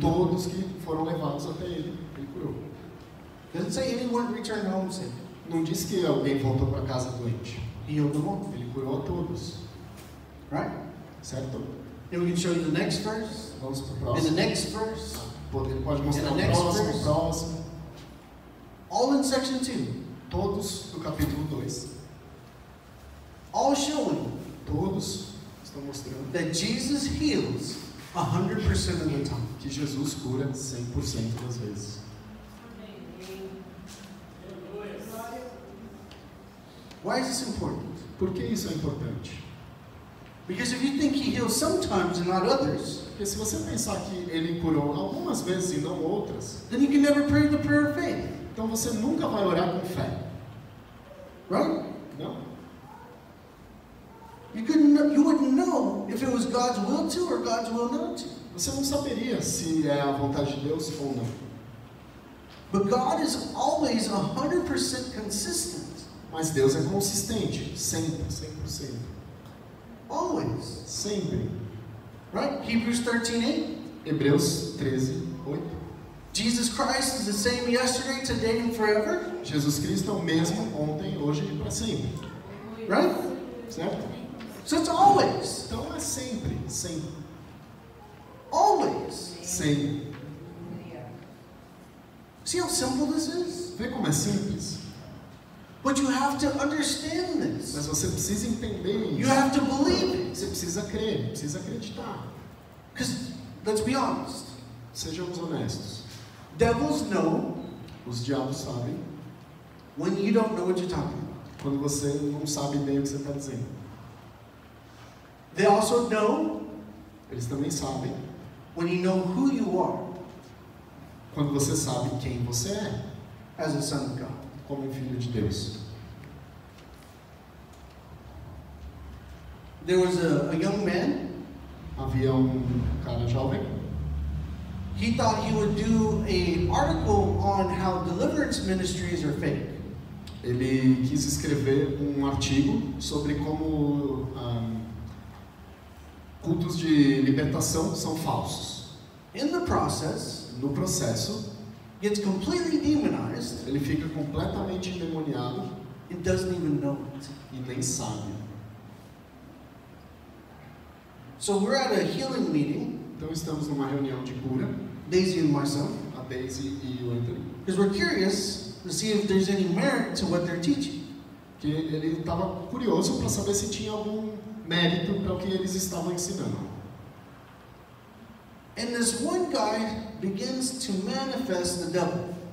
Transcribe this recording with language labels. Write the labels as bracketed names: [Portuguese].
[Portuguese] Todos que foram levados até ele, ele curou. [English] Doesn't say anyone returned home sick. [Portuguese] Não diz que alguém voltou para casa doente. [English] He healed them all. [Portuguese] Ele curou a todos. [English] Right? [Portuguese] Certo? [English] And we can show you the next verse. [Portuguese] Vamos para o próximo. [English] And the next verse. [Portuguese] Ele pode mostrar o próximo, [English] verse. [Portuguese] Próximo. [English] All in section 2. [Portuguese] Todos no capítulo 2. [English] All showing. [Portuguese] Todos. Mostrando [English] that Jesus heals 100% of the time. [Portuguese] Que Jesus cura 100% das vezes. [English] Why is this important? [Portuguese] Por que isso é importante? [English] Because if you think he heals sometimes and not others, [Portuguese] porque se você pensar que ele curou algumas vezes e não outras, [English] then you can never pray the prayer of faith. [Portuguese] Então você nunca vai orar com fé. [English] Right? [Portuguese] Não. [English] You wouldn't know if it was God's will to or God's will not to. [Portuguese] Você não saberia se é a vontade de Deus ou não. [English] But God is always 100% consistent. [Portuguese] Mas Deus é consistente, sempre, 100%. [English] Always. [Portuguese] Sempre. [English] Right? Hebrews 13:8. [Portuguese] Hebreus 13:8. [English] Jesus Christ is the same yesterday, today, and forever. [Portuguese] Jesus Cristo é o mesmo ontem, hoje e para sempre. [English] Right? [Portuguese] Certo? [English] So it's always. [Portuguese] Então é sempre, sempre. [English] Always. [Portuguese] Sempre. [English] See how simple this is? [Portuguese] Vê como é simples. [English] But you have to understand this. [Portuguese] Mas você precisa entender isso. [English] You have to believe it. [Portuguese] Você precisa crer, precisa acreditar. [English] Because, let's be honest. [Portuguese] Sejamos honestos. [English] Devils know. [Portuguese] Os diabos sabem. [English] When you don't know what you're talking about. [Portuguese] Quando você não sabe bem o que você está dizendo. [English] They also know. [Portuguese] Eles também sabem. [English] When you know who you are. [Portuguese] Quando você sabe quem você é. [English] As a son of God. [Portuguese] Como filho de Deus. [English] There was a young man. [Portuguese] Havia cara jovem. [English] He thought he would do an article on how deliverance ministries are fake. [Portuguese] Ele quis escrever artigo sobre como cultos de libertação são falsos. [English] In the process, [Portuguese] no processo, [English] gets completely demonized. [Portuguese] Ele fica completamente endemoniado. [English] It doesn't even know it. [Portuguese] E nem sabe. [English] So we're at a healing meeting. [Portuguese] Então estamos numa reunião de cura. [English] Daisy and myself. [Portuguese] A Daisy e o Anthony. [English] Because we're curious to see if there's any merit to what they're teaching. [Portuguese] Que ele estava curioso para saber se tinha algum mérito para o que eles estavam ensinando. [English] And this one guy begins to manifest the devil.